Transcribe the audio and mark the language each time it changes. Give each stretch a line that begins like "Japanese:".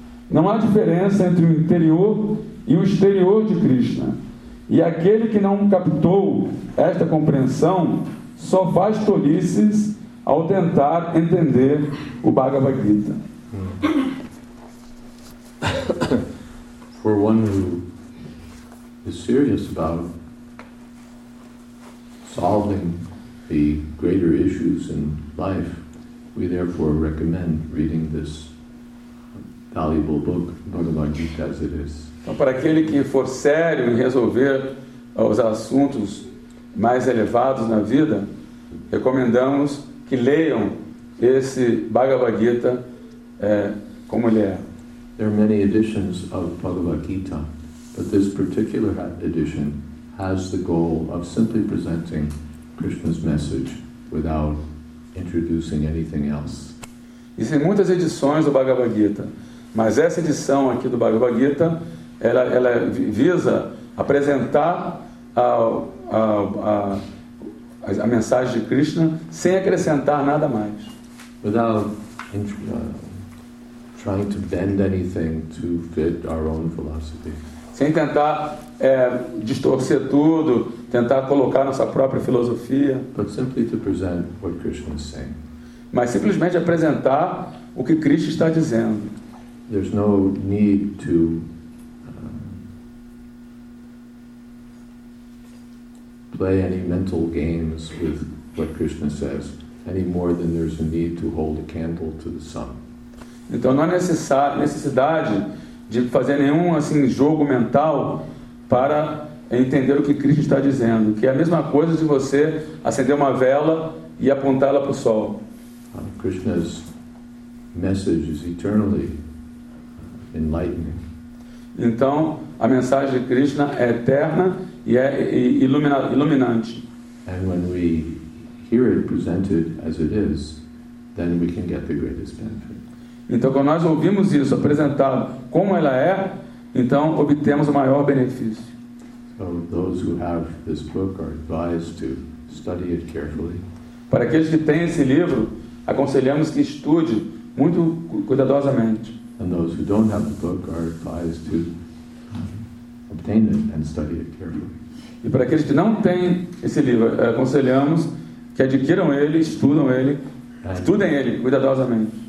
Portuguese: Não há diferença entre o interior e o exterior de Krishna. E aquele que não captou esta compreensão só faz tolices ao tentar entender o Bhagavad Gita.
English: For one who is serious about solving the greater issues in life, we therefore recommend reading this valuable book, Bhagavad Gita, as it is.
Portuguese: Então, para aquele que for sério em resolver os assuntos mais elevados na vida, recomendamos que leiam esse Bhagavad Gita como ele é.
English: There are many editions of Bhagavad Gita, but this particular edition has the goal of simply presenting Krishna's message without introducing anything else.
Portuguese: Existem muitas edições do Bhagavad Gita, mas essa edição aqui do Bhagavad Gita, ela visa apresentar a mensagem de Krishna sem acrescentar nada mais.
English: Without trying to bend anything to fit our own philosophy.
Portuguese: Sem tentar distorcer tudo, tentar colocar nossa própria filosofia.
English: But simply to present what Krishna is saying.
Portuguese: Mas simplesmente apresentar o que Krishna está dizendo.
English: There's no need to play any mental games with what Krishna says, any more than there's a need to hold a candle to the sun.
Portuguese: Então não há necessidade de fazer nenhum assim jogo mental para entender o que Krishna está dizendo, que é a mesma coisa de você acender uma vela e apontá-la para o sol.
English: Krishna's message is eternally enlightening.
Portuguese: Então a mensagem de Krishna é eterna e é iluminante.
English: And when we hear it presented as it is, then we can get the greatest benefit.
Portuguese: Então, quando nós ouvimos isso apresentado como ela é, então obtemos o maior benefício.
English: So, those who have this book are advised to study it carefully.
Portuguese: Para aqueles que têm esse livro, aconselhamos que estude muito cuidadosamente.
English: And those who don't have the book are advised to obtain it and study it carefully.
Portuguese: E para aqueles que não têm esse livro, aconselhamos que adquiram ele, estudam ele, estudem ele cuidadosamente.